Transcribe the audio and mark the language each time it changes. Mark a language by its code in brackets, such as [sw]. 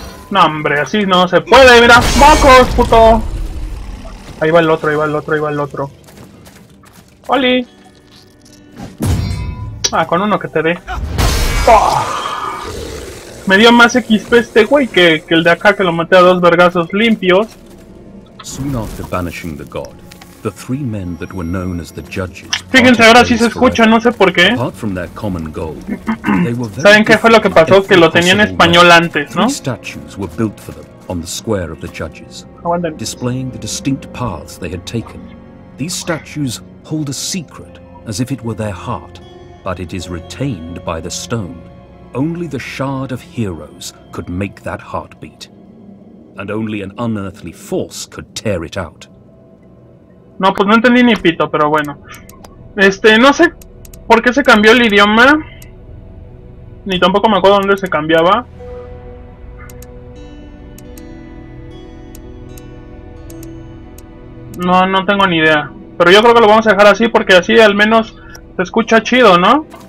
[es] No, hombre, así no se puede, mira. ¡Mocos, puto! Ahí va el otro. ¡Oli! Ah, con uno que te dé. ¡Oh! Me dio más XP este güey que el de acá, que lo maté a dos vergazos limpios. [en] Soon after banishing the god, the three men that were known as the judges. [es] Fíjense, ahora sí se escucha, no sé por qué. ¿Saben qué fue lo que pasó? Que lo tenía en español antes, ¿no? [en] Statues were built for them on the square of the judges, displaying the distinct paths they had taken. These statues hold a secret, as if it were their heart, but it is retained by the stone. Only the shard of heroes could make that heartbeat, and only an unearthly force could tear it out. [es] No, pues no entendí ni pito, pero bueno. No sé por qué se cambió el idioma. Ni tampoco me acuerdo dónde se cambiaba. No tengo ni idea. Pero yo creo que lo vamos a dejar así, porque así al menos se escucha chido, ¿no?